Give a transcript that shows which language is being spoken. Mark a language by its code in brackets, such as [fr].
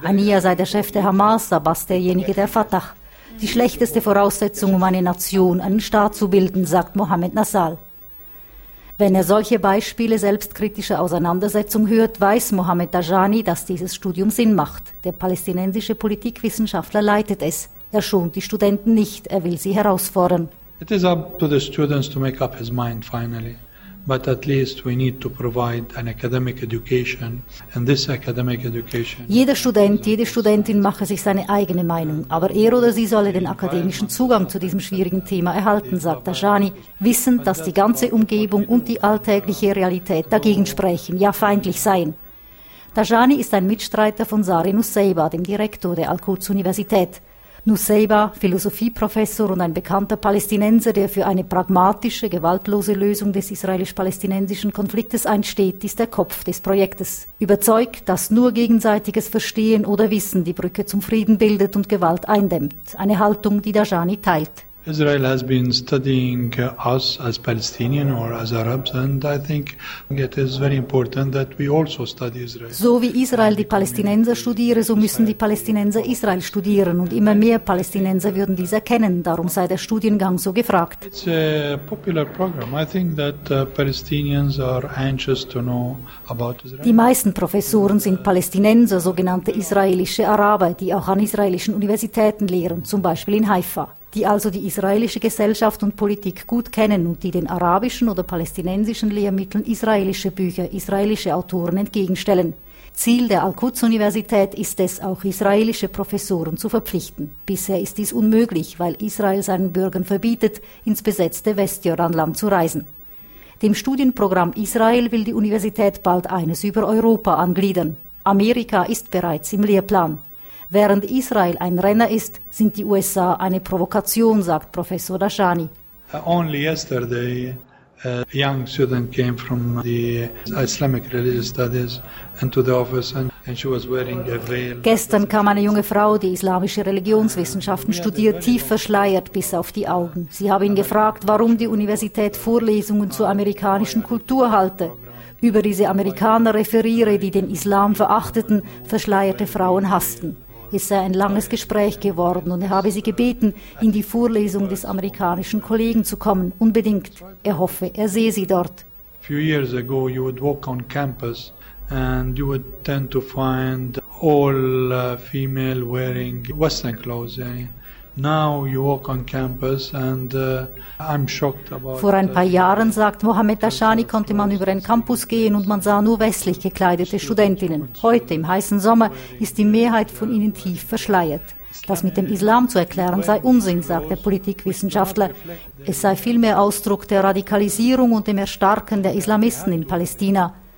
[de] Hania sei der Chef der Hamas, Abbas derjenige der Fatah. Die schlechteste Voraussetzung, um eine Nation, einen Staat zu bilden, sagt Mohammed Nassal. Wenn er solche Beispiele selbstkritischer Auseinandersetzung hört, weiß Mohammed Dajani, dass dieses Studium Sinn macht. Der palästinensische Politikwissenschaftler leitet es. Er schont die Studenten nicht, er will sie herausfordern. [en] It is up to the students to make up his mind finally, but at least we need to provide an academic education, and this academic education. [de] Jeder Student, jede Studentin mache sich seine eigene Meinung, aber er oder sie solle den akademischen Zugang zu diesem schwierigen Thema erhalten, sagt Dajani, wissend, dass die ganze Umgebung und die alltägliche Realität dagegen sprechen, ja feindlich seien. Dajani ist ein Mitstreiter von Sari Nusseibeh, dem Direktor der Al-Quds-Universität. Nusseibeh, Philosophieprofessor und ein bekannter Palästinenser, der für eine pragmatische, gewaltlose Lösung des israelisch-palästinensischen Konfliktes einsteht, ist der Kopf des Projektes. Überzeugt, dass nur gegenseitiges Verstehen oder Wissen die Brücke zum Frieden bildet und Gewalt eindämmt. Eine Haltung, die Dajani teilt. [en] Israel has been studying us as Palestinians or as Arabs, and I think it is very important that we also study Israel. [de] So wie Israel die Palästinenser studiere, so müssen die Palästinenser Israel studieren, und immer mehr Palästinenser würden dies erkennen. Darum sei der Studiengang so gefragt. [en] It's a popular program. I think that Palestinians are anxious to know about Israel. [de] Die meisten Professoren sind Palästinenser, sogenannte israelische Araber, die auch an israelischen Universitäten lehren, zum Beispiel in Haifa. Die also die israelische Gesellschaft und Politik gut kennen und die den arabischen oder palästinensischen Lehrmitteln israelische Bücher, israelische Autoren entgegenstellen. Ziel der Al-Quds-Universität ist es, auch israelische Professoren zu verpflichten. Bisher ist dies unmöglich, weil Israel seinen Bürgern verbietet, ins besetzte Westjordanland zu reisen. Dem Studienprogramm Israel will die Universität bald eines über Europa angliedern. Amerika ist bereits im Lehrplan. Während Israel ein Renner ist, sind die USA eine Provokation, sagt Professor Dajani. [en] Only yesterday a young student came from the Islamic religious studies into the office and she was wearing a veil. [de] Gestern kam eine junge Frau, die islamische Religionswissenschaften studiert, tief verschleiert bis auf die Augen. Sie habe ihn gefragt, warum die Universität Vorlesungen zur amerikanischen Kultur halte. Über diese Amerikaner referiere, die den Islam verachteten, verschleierte Frauen hassten. Es sei ein langes Gespräch geworden und er habe sie gebeten, in die Vorlesung des amerikanischen Kollegen zu kommen, unbedingt. Er hoffe, er sehe sie dort. [en] A few years ago you would walk on campus and you would tend to find all female wearing Western clothes. Now you walk on campus and I'm shocked about. [de] Vor ein paar Jahren, sagt Mohammed Dajani, konnte man über einen Campus gehen und man sah nur westlich gekleidete Studentinnen. Heute, im heißen Sommer, ist die Mehrheit von ihnen tief verschleiert. Das mit dem Islam zu erklären, sei Unsinn, sagt der Politikwissenschaftler. Es sei vielmehr Ausdruck der Radikalisierung und dem Erstarken der Islamisten in Palästina.